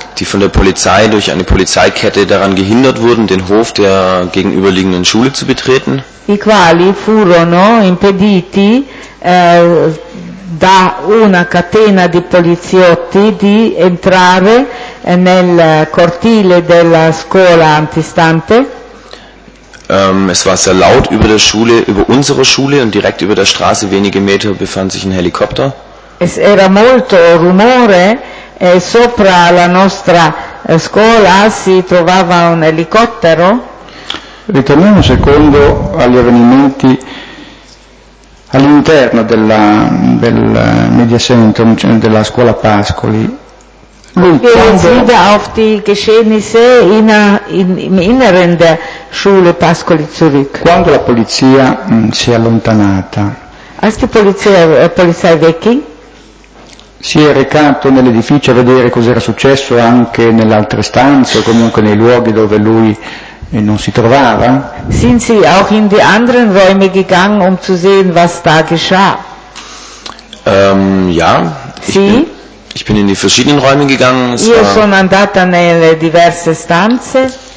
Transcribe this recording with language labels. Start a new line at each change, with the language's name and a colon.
German: die von der Polizei durch eine Polizeikette daran gehindert wurden, den Hof der gegenüberliegenden Schule zu betreten.
Italian: I quali furono impediti da una catena di poliziotti di entrare nel cortile della scuola antistante.
German: Es war sehr laut über der Schule, über unsere Schule, und direkt über der Straße wenige Meter befand sich ein Helikopter.
Italian: Es era molto rumore e sopra la nostra scuola si trovava un elicottero. Ritorniamo un secondo agli avvenimenti all'interno del Media Center, della scuola Pascoli.
German: Wir sehen auf die Geschehnisse im Inneren der Schule Pascoli Zurich.
Italian: Quando la polizia si è allontanata.
German: Als die Polizei wegging.
Italian: Si è recato nell'edificio a vedere cos'era successo anche nelle altre stanze o comunque nei luoghi dove lui non si trovava?
German: Sind sie auch in die anderen Räume gegangen, um zu sehen, was da geschah? Ja. Sie? Ich bin in die verschiedenen Räume gegangen.
Italian: Io sono andata nelle diverse stanze.